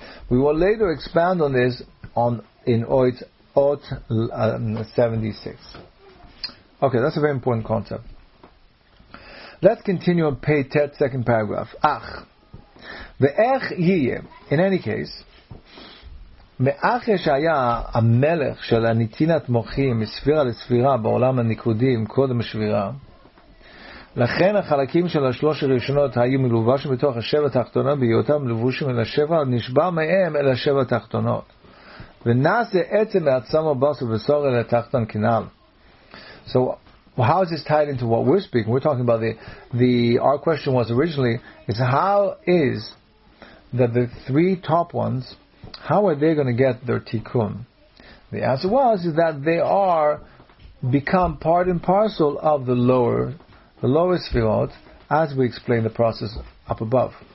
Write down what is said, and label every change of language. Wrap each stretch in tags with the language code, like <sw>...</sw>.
<en>We will later expand on this in עוד 76. Okay, that's a very important concept. Let's continue on page 10, second paragraph.</en> <he>אך, ואיך יהיה,</he> <en>in any case,</en> <he>מאחר שהיה המלך של הנתינת מוחים מספירה לספירה בעולם הניקודים קודם השבירה, לכן החלקים של השלוש הראשונות היו מלובשים בתוך השבע התחתונות, בהיותם לבושים אל השבע נשבע מהם אל השבע התחתונות, ונעשה עצם מעצם הבוס ובסור אל התחתון כנעל.</he> <en>So how is this tied into what we're speaking? We're talking about our question was originally, is how is that the three top ones, how are they going to get their tikkun? The answer was is that they are become part and parcel of the lower sefirot, as we explained the process up above.</en>